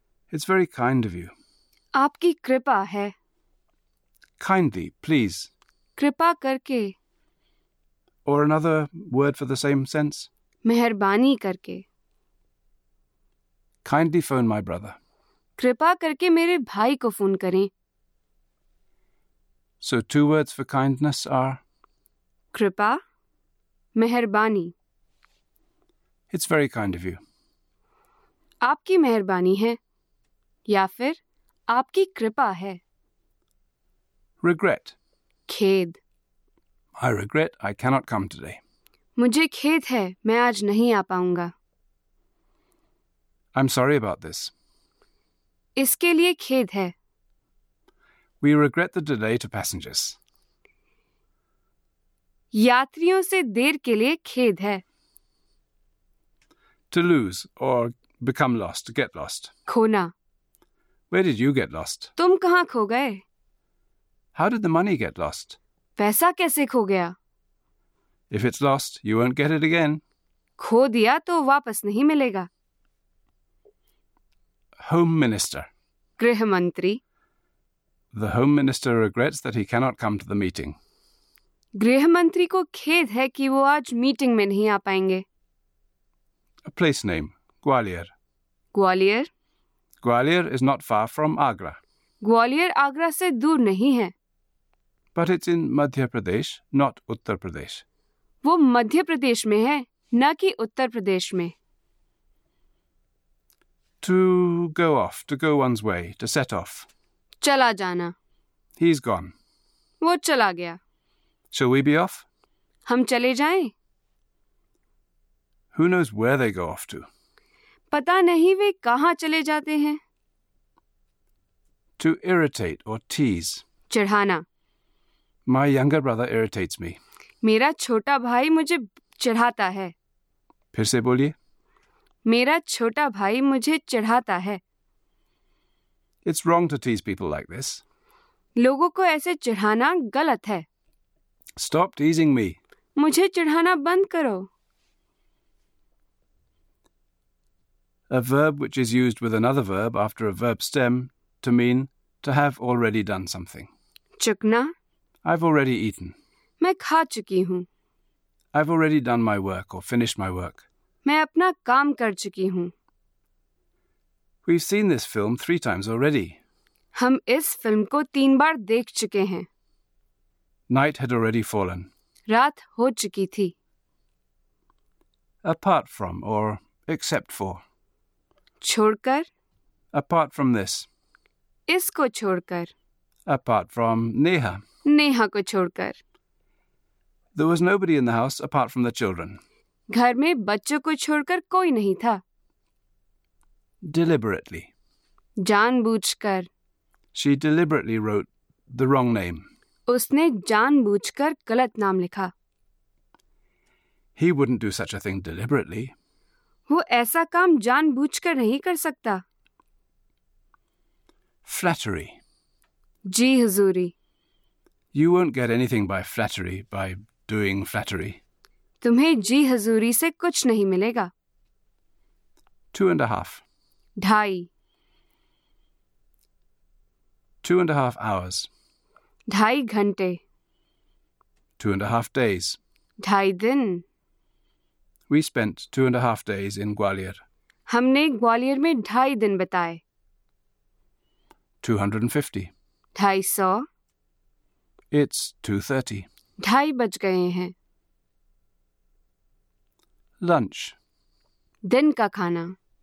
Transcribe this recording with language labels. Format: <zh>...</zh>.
<en>It's very kind of you.</en> <hi>आपकी कृपा है।</hi> <en>Kindly, please.</en> <hi>कृपा करके।</hi> <en>Or another word for the same sense?</en> <hi>मेहरबानी करके।</hi> <en>Kindly phone my brother.</en> <hi>कृपा करके मेरे भाई को फोन करें।</hi> <en>So 2 words for kindness are?</en> <hi>कृपा, मेहरबानी।</hi> <en>It's very kind of you.</en> <hi>आपकी मेहरबानी है, या फिर आपकी कृपा है।</hi> <en>Regret.</en> <hi>खेद।</hi> <en>I regret I cannot come today.</en> <hi>मुझे खेद है, मैं आज नहीं आ पाऊंगा।</hi> <en>I'm sorry about this.</en> <hi>इसके लिए खेद है।</hi> <en>We regret the delay to passengers.</en> <hi>यात्रियों से देर के लिए खेद है।</hi> <en>To lose or become lost, get lost.</en> <hi>खोना।</hi> <en>Where did you get lost?</en> <hi>तुम कहाँ खो गए?</hi> <en>How did the money get lost?</en> <hi>पैसा कैसे खो गया?</hi> <en>If it's lost, you won't get it again.</en> <hi>खो दिया तो वापस नहीं मिलेगा।</hi> <en>Home Minister.</en> <hi>गृह मंत्री।</hi> <en>The Home Minister regrets that he cannot come to the meeting.</en> <hi>गृह मंत्री को खेद है कि वो आज मीटिंग में नहीं आ पाएंगे।</hi> <en>A place name, Gwalior.</en> <hi>Gwalior.</hi> <en>Gwalior is not far from Agra.</en> <hi>Gwalior Agra से दूर नहीं है।</hi> <en>But it's in Madhya Pradesh, not Uttar Pradesh.</en> <hi>वो मध्य प्रदेश में है न कि उत्तर प्रदेश में।</hi> <en>To go off, to go one's way, to set off.</en> <hi>चला जाना।</hi> <en>He's gone.</en> <hi>वो चला गया।</hi> <en>Shall we be off?</en> <hi>हम चले जाएं?</hi> <en>Who knows where they go off to?</en> <hi>पता नहीं वे कहां चले जाते हैं।</hi> <en>To irritate or tease.</en> <hi>चढ़ाना।</hi> <en>My younger brother irritates me.</en> <hi>मेरा छोटा भाई मुझे चढ़ाता है। फिर से बोलिए। मेरा छोटा भाई मुझे चढ़ाता है।</hi> <en>It's wrong to tease people like this.</en> <hi>लोगों को ऐसे चढ़ाना गलत है।</hi> <en>Stop teasing me.</en> <hi>मुझे चढ़ाना बंद करो।</hi> <en>A verb which is used with another verb after a verb stem to mean to have already done something.</en> <hi>चुकना।</hi> <en>I've already eaten.</en> <hi>मैं खा चुकी हूँ।</hi> <en>I've already done my work or finished my work.</en> <hi>मैं अपना काम कर चुकी हूँ।</hi> <en>We've seen this film 3 times already.</en> <hi>हम इस फिल्म को 3 बार देख चुके हैं।</hi> <en>Night had already fallen.</en> <hi>रात हो चुकी थी।</hi> <en>Apart from or except for.</en> <hi>छोड़कर।</hi> <en>Apart from this.</en> <hi>इसको छोड़कर।</hi> <en>Apart from Neha.</en> <hi>नेहा को छोड़कर।</hi> <en>There was nobody in the house apart from the children.</en> <hi>घर में बच्चों को छोड़कर कोई नहीं था।</hi> <en>Deliberately.</en> <hi>जानबूझकर।</hi> <en>She deliberately wrote the wrong name.</en> <hi>उसने जानबूझकर गलत नाम लिखा।</hi> <en>He wouldn't do such a thing deliberately.</en> <hi>वो ऐसा काम जानबूझकर नहीं कर सकता।</hi> <en>Flattery.</en> <hi>Ji हुजूरी।</hi> <en>You won't get anything by flattery, by doing flattery.</en> <hi>तुम्हें जी हजूरी से कुछ नहीं मिलेगा।</hi> <en>2.5</en> <hi>ढाई।</hi> <en>2.5 hours</en> <hi>ढाई घंटे।</hi> <en>2.5 days</en> <hi>ढाई दिन।</hi> <en>We spent 2.5 days in Gwalior.</en> <hi>हमने ग्वालियर में ढाई दिन बिताए।</hi> <en>250</en> <hi>ढाई सौ।</hi> <en>It's 2:30</en> <hi>ढाई बज गए हैं।</hi> <en>Lunch.</en> <hi>दिन का खाना।</hi>